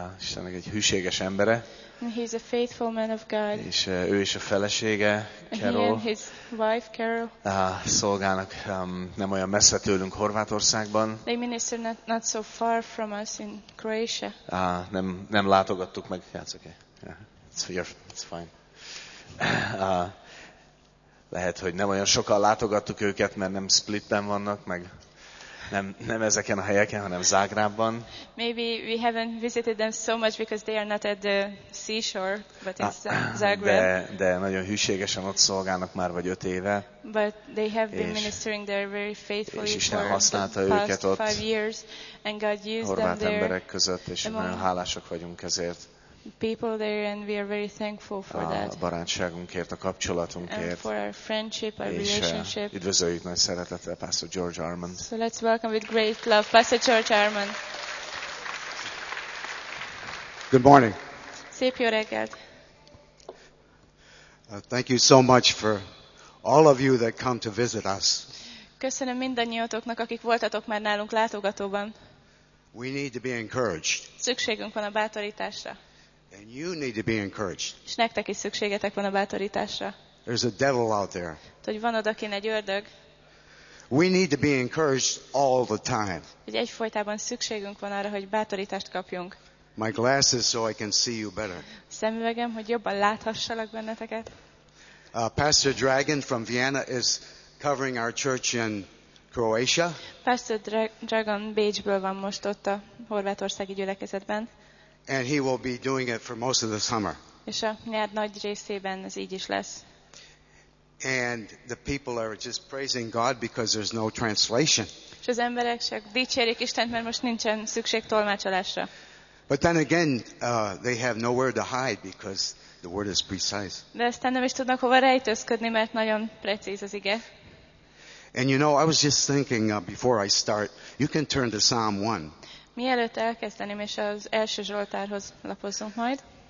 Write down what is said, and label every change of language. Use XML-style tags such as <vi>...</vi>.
<hu>Istennek egy hűséges embere.</hu> <en>And he's a faithful man of God.</en> <hu>És ő is a felesége, Carol.</hu> <en>And he and his wife, Carol.</en> <hu>Szolgálnak nem olyan messze tőlünk Horvátországban.</hu> <en>They minister not so far from us in Croatia.</en> <hu>Nem látogattuk meg.</hu> <en>Yeah, it's okay. It's fine.</en> <hu>Lehet, hogy nem olyan sokan látogattuk őket, mert nem Splitben vannak, meg nem ezeken a helyeken, hanem Zágrábban.</hu> <en>Maybe we haven't visited them so much because they are not at the seashore, but in Zagreb.</en> <hu>De nagyon hűségesen ott szolgálnak már vagy 5 éve.</hu> <en>But they have been ministering there very faithfully for the past 5 years, and God used them there.</en> <hu>Horvát emberek között, és nagyon hálásak vagyunk ezért.</hu> <en>People there, and we are very thankful for that.</en> <hu>A barátságunkért, a kapcsolatunkért.</hu> <en>And for our friendship, our relationship.</en> <hu>Üdvözöljük nagy szeretettel Pastor George Armand.</hu> <en>So let's welcome with great love Pastor George Armand. Good morning.</en> <hu>Szép jó reggelt.</hu> <en>Thank you so much for all of you that come to visit us.</en> <hu>Köszönöm mindannyiótoknak, akik voltatok már nálunk látogatóban.</hu> <en>We need to be encouraged.</en> <hu>Szükségünk van a bátorításra.</hu> <en>And you need to be encouraged.</en> <hu>És nektek is szükségetek van a bátorításra.</hu> <en>There's a devil out there.</en> <hu>Hogy van odakin egy ördög.</hu> <en>We need to be encouraged all the time.</en> <hu>Hogy egyfolytában szükségünk van arra, hogy bátorítást kapjunk.</hu> <en>My glasses so I can see you better.</en> <hu>Szemüvegem, hogy jobban láthassalak benneteket.</hu> <en>Pastor Dragan from Vienna is covering our church in Croatia.</en> <hu>Pastor Dragan Bécsből van most ott a horvátországi gyülekezetben.</hu> <en>And he will be doing it for most of the summer.</en> <hu>És a nyár nagy részében ez így is lesz.</hu> <en>And the people are just praising God because there's no translation.</en> <hu>És az emberek csak dicsérik Istent, mert most nincsen szükség tolmácsolásra.</hu> <en>But then again, they have nowhere to hide because the word is precise.</en> <hu>De aztán nem is tudnak hova rejtőzködni, mert nagyon precíz az ige.</hu> <en>And you know, I was just thinking before I start, you can turn to Psalm 1.</en> <hu>Mielőtt elkezdeném, és az első Zsoltárhoz lapozzunk majd.</hu>